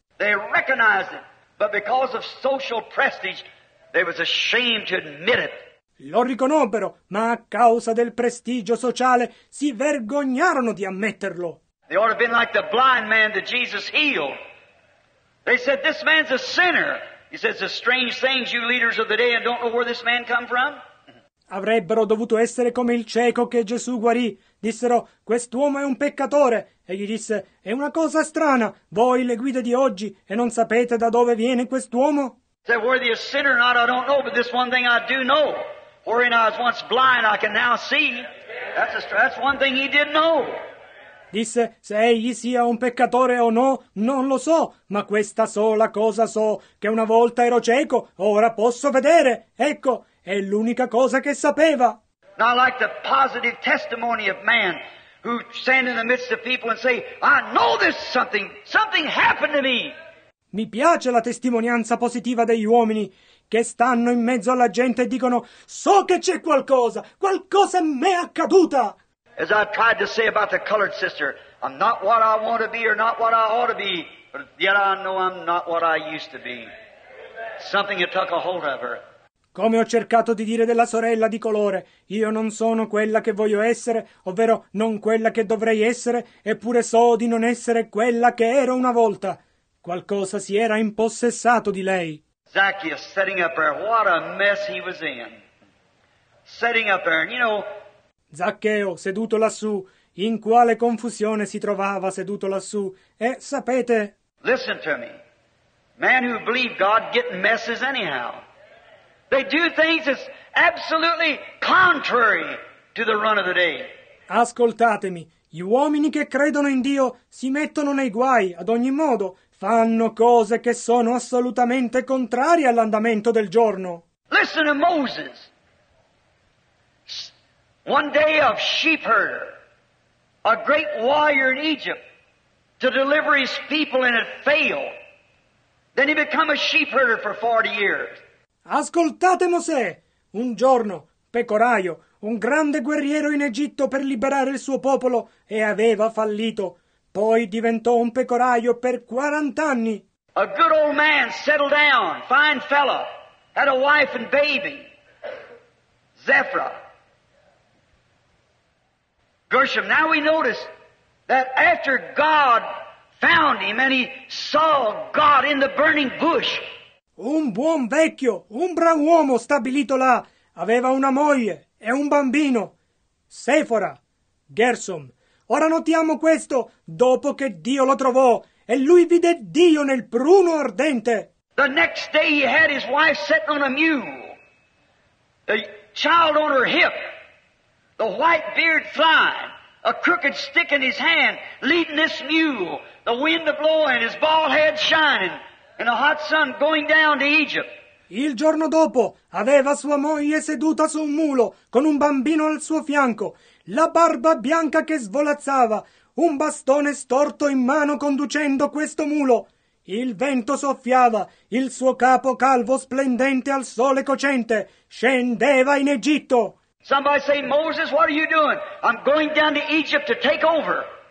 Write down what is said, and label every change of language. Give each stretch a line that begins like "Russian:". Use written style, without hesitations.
English: They recognized it, but because of social prestige, they was ashamed to admit it.
Italian: Lo riconobbero, ma a causa del prestigio sociale si vergognarono di ammetterlo.
English: They ought to have been like the blind man that Jesus healed. They said, this man's a sinner. He said, it's a strange thing, you leaders of the day, and don't know where this man come from.
Italian: Avrebbero dovuto essere come il cieco che Gesù guarì. Dissero, quest'uomo è un peccatore. E gli disse, è una cosa strana, voi le guide di oggi, e non sapete da dove viene quest'uomo?
English: Said, worthy a sinner or not, I don't know, but this one thing I do know. Wherein I was once blind, I can now see. That's one thing he didn't know.
Italian: Disse, se egli sia un peccatore o no, non lo so, ma questa sola cosa so, che una volta ero cieco, ora posso vedere. Ecco, è l'unica cosa che sapeva.
English: Now, like the positive testimony of man who stand in the midst of people and say, I know there's something happened to me.
Italian: Mi piace la testimonianza positiva degli uomini che stanno in mezzo alla gente e dicono, so che c'è qualcosa m'è accaduta.
English: As I tried to say about the colored sister, I'm not what I want to be or not what I ought to be, but yet I know I'm not what I used to be. Something that took a hold of her.
Italian: Come ho cercato di dire della sorella di colore, io non sono quella che voglio essere, ovvero non quella che dovrei essere, eppure so di non essere quella che ero una volta. Qualcosa si era impossessato di lei.
English: Zacchaeus setting up there, what a mess he was in. Setting up there, you know.
Italian: Zaccheo, seduto lassù, in quale confusione si trovava seduto lassù, e sapete.
English: Listen to me. Man who believe God getting messes anyhow. They do things that's absolutely contrary to the run of the day.
Italian: Ascoltatemi, gli uomini che credono in Dio si mettono nei guai ad ogni modo, fanno cose che sono assolutamente contrarie all'andamento del giorno.
English: Listen to Moses. One day of sheep herder, a great warrior in Egypt, to deliver his people and it failed. Then he became a sheep herder for 40 years.
Italian: Ascoltate Mosè, un giorno, pecoraio, un grande guerriero in Egitto per liberare il suo popolo, e aveva fallito. Poi diventò un pecoraio per 40 anni.
English: A good old man, settled down, fine fella, had a wife and baby, Zephra, Gershom. Now we notice that after God found him and he saw God in the burning bush,
Italian: un buon vecchio, un bravo uomo stabilito là, aveva una moglie e un bambino, Sephora, Gershom, Ora notiamo questo, dopo che Dio lo trovò, e lui vide Dio nel pruno ardente.
English: The next day he had his wife sitting on a mule, a child on her hip, the white beard flying, a crooked stick in his hand, leading this mule, the wind blowing, his bald head shining, and the hot sun going down to Egypt.
Italian: Il giorno dopo aveva sua moglie seduta su un mulo con un bambino al suo fianco, la barba bianca che svolazzava, un bastone storto in mano conducendo questo mulo. Il vento soffiava, il suo capo calvo splendente al sole cocente scendeva in Egitto.
English: Somebody say, Moses, what are you doing? I'm going down to Egypt to take over.